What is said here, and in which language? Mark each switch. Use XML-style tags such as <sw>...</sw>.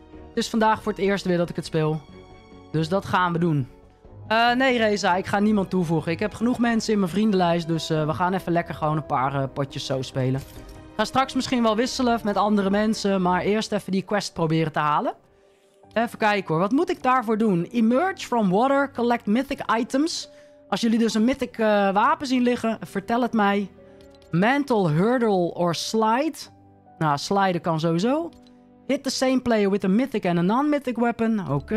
<nl>Het is vandaag voor het eerst weer dat ik het speel. Dus dat gaan we doen. Nee, Reza, ik ga niemand toevoegen. Ik heb genoeg mensen in mijn vriendenlijst, dus we gaan even lekker gewoon een paar potjes zo spelen. Ik ga straks misschien wel wisselen met andere mensen, maar eerst even die quest proberen te halen. Even kijken hoor, wat moet ik daarvoor doen?</nl> <en>Emerge from water, collect mythic items.</en> <nl>Als jullie dus een mythic wapen zien liggen, vertel het mij.</nl> <en>Mantle, hurdle or slide.</en> <nl>Nou, sliden kan sowieso.</nl> <en>Hit the same player with a mythic and a non-mythic weapon.</en>